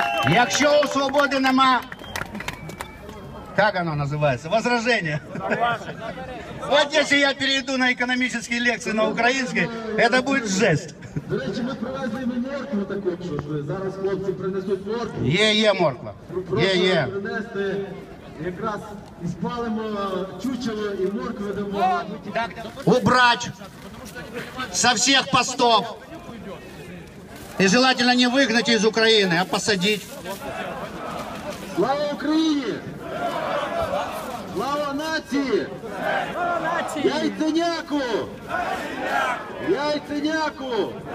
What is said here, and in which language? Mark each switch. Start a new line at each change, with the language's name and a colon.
Ukrainian: Якщо у свободи нема,
Russian: как оно называется, возражение. Вот если я перейду на экономические лекции на украинский, это будет жесть.
Ukrainian: До речі, ми привезли моркву таку, зараз хлопці принесуть моркву. Є-є морква. Є-є. Принести, якраз і спалимо чучело і моркву дамо.
Russian: Убрать со всех постов. И желательно не выгнать из Украины, а посадить. Слава Украине! Слава нации! Слава нации! Яйценяку! Яйценяку!